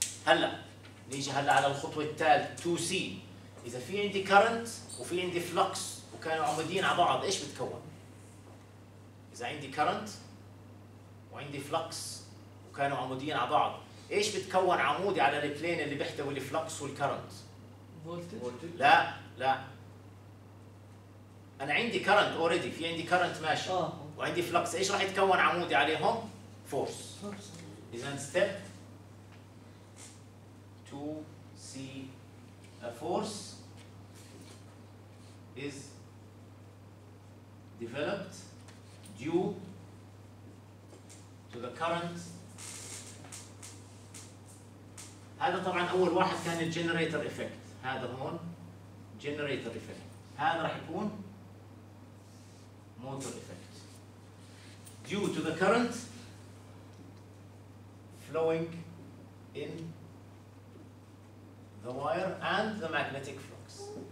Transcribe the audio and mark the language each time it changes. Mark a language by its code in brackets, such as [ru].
[ar] هلا نيجي هلا على الخطوه الثالثه 2C. اذا في عندي كرنت وفي عندي فلوكس وكانوا عمودين على بعض، ايش بتكون؟ اذا عندي كرنت وعندي فلوكس وكانوا عمودين على بعض، ايش بتكون عمودي على البلين اللي بيحتوي الفلوكس والكرنت؟ فولتج. لا لا، انا عندي كرنت اوريدي، في عندي كرنت ماشي وعندي فلوكس، ايش راح يتكون عمودي عليهم؟ فورس. اذا ستيب [en] 2C a force is developed due to the current. [ar] هذا طبعا اول واحد كان الجنريتر ايفكت، هذا هون جنريتر ايفكت، هذا راح يكون موتور ايفكت [en] due to the current flowing in the wire and the magnetic flux.